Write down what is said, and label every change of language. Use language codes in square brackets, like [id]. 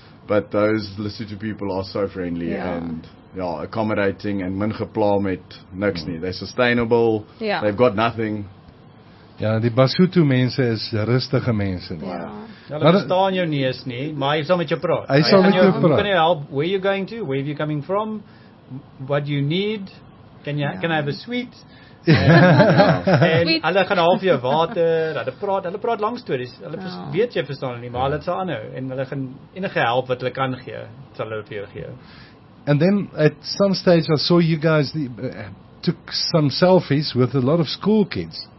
[en] But those Lesotho people are so friendly and accommodating and [af] min gepla met niks nie. [en] They're sustainable. Yeah. They've got nothing. [af] Ja, die Basotho mense is rustige mense. Ja. Hulle verstaan jou nie eens nie, maar hy sal met jou praat. Hy sal met jou praat. [en] Can you help? Where are you going to? Where are you coming from? What do you need? Can I have a sweet? [af] En hulle gaan half jou water, hulle praat lang stories, hulle weet jy verstaan nie, maar hulle sal aanhou, en hulle gaan enige help wat hulle kan gee, sal hulle vir jou gee. [en] And then at some stage I saw you guys took some selfies with a lot of school kids.